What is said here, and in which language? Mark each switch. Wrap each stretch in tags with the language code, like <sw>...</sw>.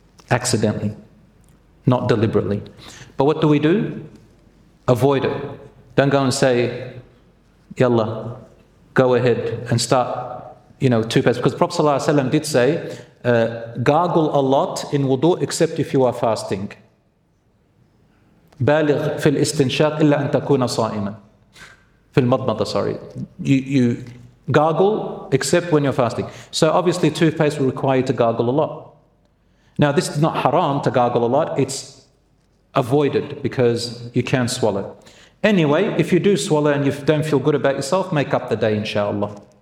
<en>Accidentally, not deliberately. But what do? Avoid it. Don't go and say, yalla, go ahead and start, you know, toothpaste. Because Prophet Sallallahu Alaihi Wasallam did say, gargle a lot in wudu except if you are fasting.</en> <ar>بالغ في الاستنشاق إلا أن تكون صائما. في المضمضة,</ar> <en>sorry. You gargle except when you're fasting. So obviously toothpaste will require you to gargle a lot. Now this is not haram to gargle a lot, it's avoided because you can't swallow. Anyway, if you do swallow and you don't feel good about yourself, make up the day inshallah.</en>